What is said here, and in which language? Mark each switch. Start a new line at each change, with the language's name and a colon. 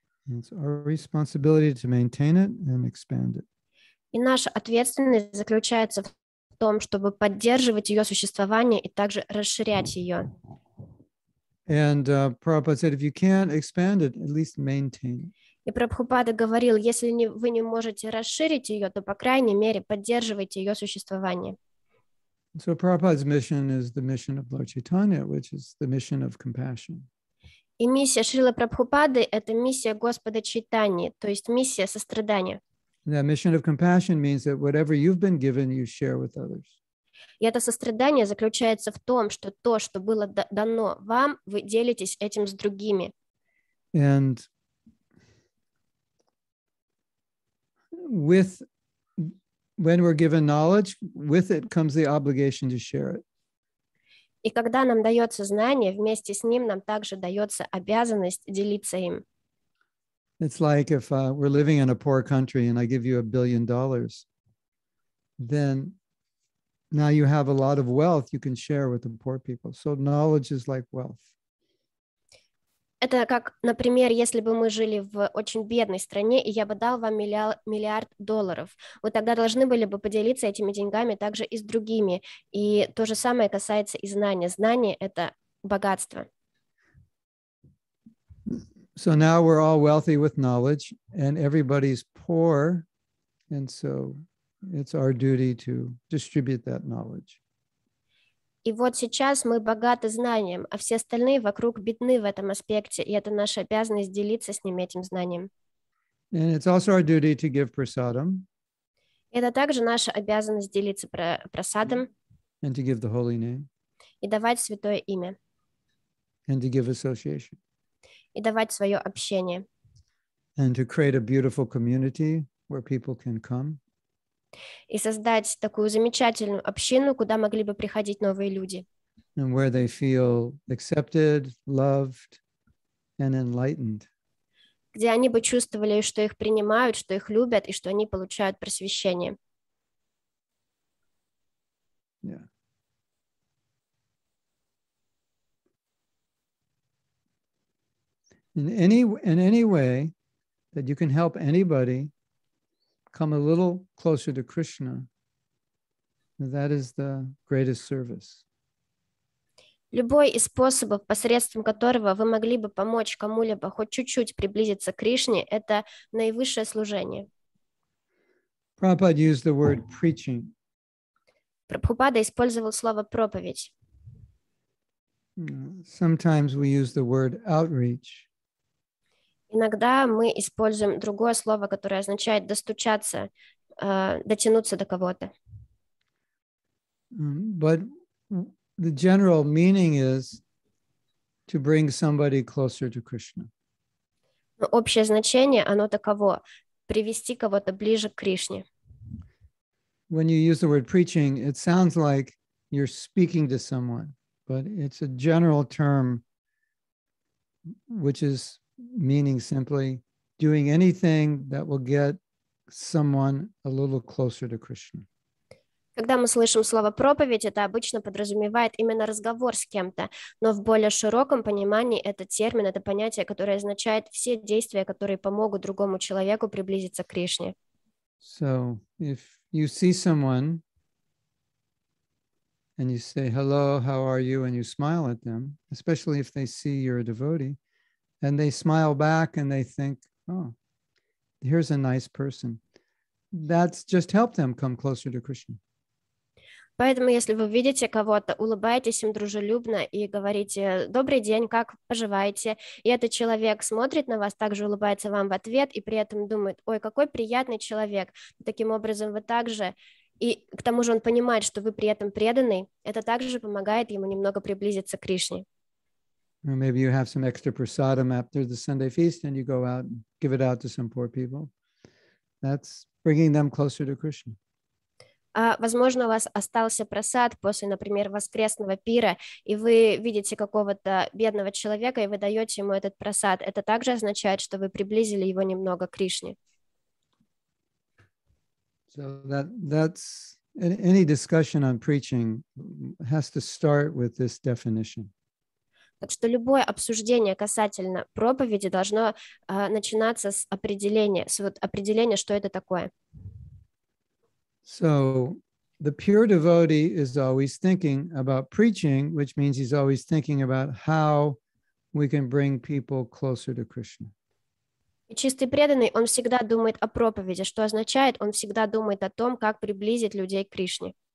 English: It's our responsibility to maintain it and expand it.
Russian: И наша ответственность заключается в том, чтобы поддерживать ее существование и также расширять ее.
English: And Prabhupada said, if you can't expand it, at least maintain it.
Russian: И Прабхупада говорил, если вы не можете расширить ее, то по крайней мере поддерживайте ее существование.
English: So Prabhupada's mission is the mission of Lord Chaitanya, which is the mission of compassion.
Russian: И миссия Шрилы Прабхупады — это миссия Господа Чайтаньи, то есть миссия сострадания.
English: And that mission of compassion means that whatever you've been given, you share with others.
Russian: И это сострадание заключается в том, что то, что было дано вам, вы делитесь этим с другими.
English: And with when we're given knowledge, with it comes the obligation to share it.
Russian: И когда нам дается знание, вместе с ним нам также дается обязанность делиться им.
English: It's like if we're living in a poor country and I give you $1 billion, then now you have a lot of wealth you can share with the poor people. So knowledge is like wealth.
Russian: Это как, например, если бы мы жили в очень бедной стране, и я бы дал вам миллиард долларов. Вы тогда должны были бы поделиться этими деньгами также и с другими. И то же самое касается и знания. Знание — это богатство.
English: So now we're all wealthy with knowledge, and everybody's poor, and so it's our duty to distribute that knowledge.
Russian: И вот сейчас мы богаты знанием, а все остальные вокруг бедны в этом аспекте, и это наша обязанность делиться с ними этим знанием.
English: And it's also our duty to give prasadam.
Russian: Это также наша обязанность делиться прасадом.
English: And to give the holy name.
Russian: И давать святое имя.
English: And to give association.
Russian: И давать свое общение.
English: And to create a beautiful community where people can come.
Russian: И создать такую замечательную общину, куда могли бы приходить новые люди.
English: And where they feel accepted, loved, and enlightened.
Russian: Где они бы чувствовали, что их принимают, что их любят, и что они получают просвещение.
English: Yeah. In any way that you can help anybody come a little closer to Krishna, that is the greatest service.
Russian: Любой из способов, посредством которого вы могли бы помочь кому-либо хоть чуть-чуть приблизиться к Кришне, это наивысшее служение.
English: Prabhupada used the word preaching.
Russian: Прабхупада использовал слово проповедь.
English: Sometimes we use the word outreach.
Russian: Иногда мы используем другое слово, которое означает достучаться, дотянуться до кого-то.
English: But the general meaning is to bring somebody closer to Krishna.
Russian: Но общее значение, оно таково — привести кого-то ближе к Кришне.
English: When you use the word preaching, it sounds like you're speaking to someone, but it's a general term, which is meaning simply doing anything that will get someone a little closer to Krishna.
Russian: Когда мы слышим слово проповедь, это обычно подразумевает именно разговор с кем-то, но в более широком понимании этот термин, это понятие, которое означает все действия, которые помогут другому человеку приблизиться к Кришне.
English: So, if you see someone and you say hello, how are you, and you smile at them, especially if they see you're a devotee, and they smile back and they think, oh, here's a nice person. That's just helped them come closer to Krishna.
Russian: Поэтому, если вы видите кого-то, улыбайтесь им дружелюбно и говорите «Добрый день, как поживаете?» И этот человек смотрит на вас, также улыбается вам в ответ и при этом думает «Ой, какой приятный человек!» Таким образом, вы также, и к тому же он понимает, что вы при этом преданный, это также помогает ему немного приблизиться к Кришне.
English: Maybe you have some extra prasadam after the Sunday feast and you go out and give it out to some poor people. That's bringing them closer to Krishna.
Russian: Возможно, у вас остался просад после, например, воскресного пира, и вы видите какого-то бедного человека, и вы даете ему этот просад. Это также означает, что вы приблизили его немного к Кришне.
English: So that's any discussion on preaching has to start with this definition.
Russian: Так что любое обсуждение касательно проповеди должно начинаться с определения, определения, что это такое.
English: So the pure devotee is always thinking about preaching, which means he's always thinking about how we can bring people closer to Krishna.
Russian: И чистый преданный, он всегда думает о проповеди, что означает, он всегда думает о том, как приблизить людей к Кришне.